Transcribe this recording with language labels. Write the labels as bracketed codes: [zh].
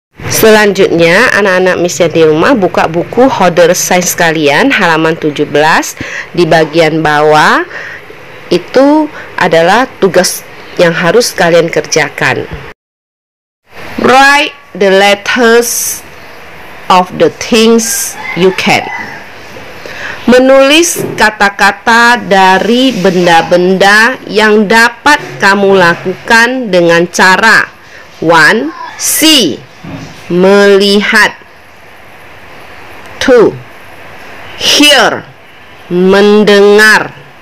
[id] Selanjutnya, anak-anak Miss yang di rumah buka buku holder size kalian halaman 17. Di bagian bawah itu adalah tugas yang harus kalian kerjakan. [en] Write the letters of the things you can. [id] Menulis kata-kata dari benda-benda yang dapat kamu lakukan dengan cara 1. See, melihat. 2. Hear, mendengar.